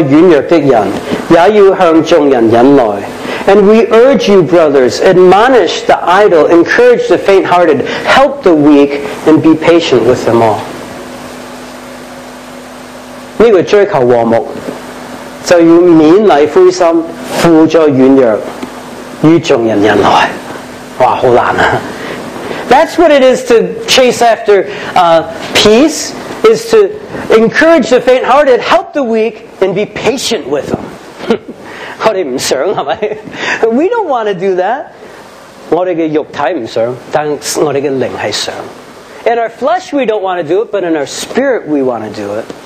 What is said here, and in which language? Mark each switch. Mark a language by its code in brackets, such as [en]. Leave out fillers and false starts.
[zh] 你们又劝弟兄们要警戒不守规矩的人，勉励灰心的人，辅助软弱的人，也要向众人忍耐。 [en] And we urge you, brothers, admonish the idle, encourage the faint-hearted, help the weak, and be patient with them all. [zh] 这个追求和睦，就要勉励灰心，辅助软弱，与众人忍耐。哇，好难啊！ [en] That's what it is to chase after peace, is to encourage the faint-hearted, help the weak, and be patient with them. [zh] 我们不想，是吧? [en] We don't want to do that. [zh] 我们的肉体不想，但我们的灵是想。 [en] In our flesh, we don't want to do it, but in our spirit, we want to do it.